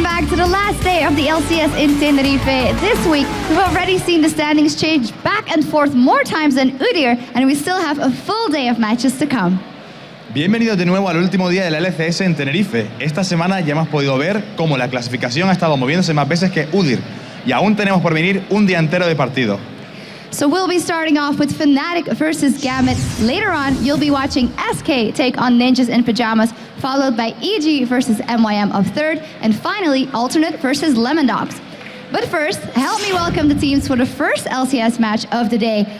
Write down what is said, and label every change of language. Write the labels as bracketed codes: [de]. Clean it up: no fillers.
[en] The last day of the LCS in Tenerife. This week, we've already seen the standings change back and forth more times than Udyr, and we still have a full day of matches to come. [es] Bienvenidos de nuevo al último día de la LCS en Tenerife. Esta semana ya hemos podido ver cómo la clasificación ha estado moviéndose más veces que Udyr, y aún tenemos por venir un día entero de partido. [en] So we'll be starting off with Fnatic versus Gambit. Later on, you'll be watching SK take on Ninjas in Pajamas, followed by EG versus MYM of Third, and finally, Alternate versus Lemon Dogs. But first, help me welcome the teams for the first LCS match of the day.